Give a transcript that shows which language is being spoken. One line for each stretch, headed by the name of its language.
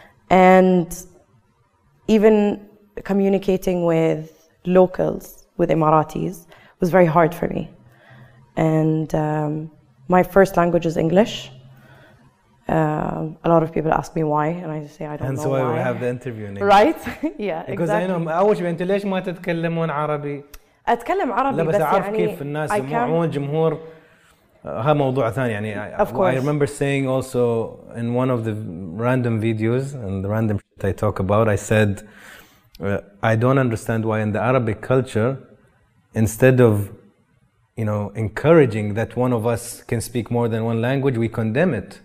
English: And even communicating with locals, with Emiratis, was very hard for me. And my first language is English. A lot of people ask me why, and I just say I don't know why. And so we have the interview in English. Right? Yeah, because Because I know,
Arabic: أول شيء أنت ليش ما تتكلمون عربي؟ أتكلم عربي بس يعني. لا بس أعرف كيف الناس يسمعون جمهور. ها موضوع ثاني يعني.
English: Of course. I remember saying also in one of the random videos and the random shit I talk about, I said, I don't understand why in the Arabic culture, instead of, you know, encouraging that one of us can speak more than one language, we condemn it.